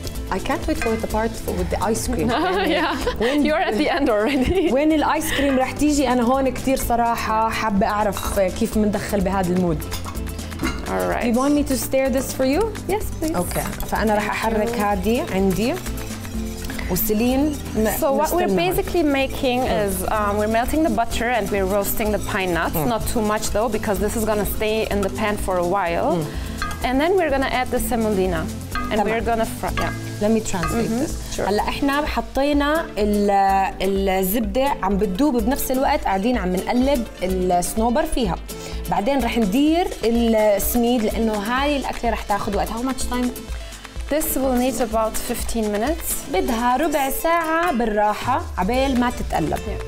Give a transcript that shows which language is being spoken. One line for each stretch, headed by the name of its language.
English: I can't wait for the part with the ice cream. yeah. When you're at the end already.
Arabic: وين الآيس كريم رح تيجي أنا هون كتير صراحة حابة أعرف كيف مندخل بهذا المود.
English: All right. You want me to stir this for you? Yes, please. Okay.
Arabic: فأنا راح أحرك هادي عندي وسلين.
English: So what we're basically making is we're melting the butter and we're roasting the pine nuts. Mm. Not too much though because this is gonna stay in the pan for a while. Mm. And then we're gonna add the semolina and تمام. We're gonna fry. Yeah. Let me translate mm-hmm. this. Sure.
Arabic: هلا إحنا حطينا الزبدة عم بتدوب بنفس الوقت قاعدين عم نقلب الصنوبر فيها. بعدين رح ندير السميد لأنه هاي الأكلة رح تأخذ وقت.
English: How much time? This will need about 15 minutes.
Arabic: بدها ربع ساعة بالراحة عبال ما تتقلب.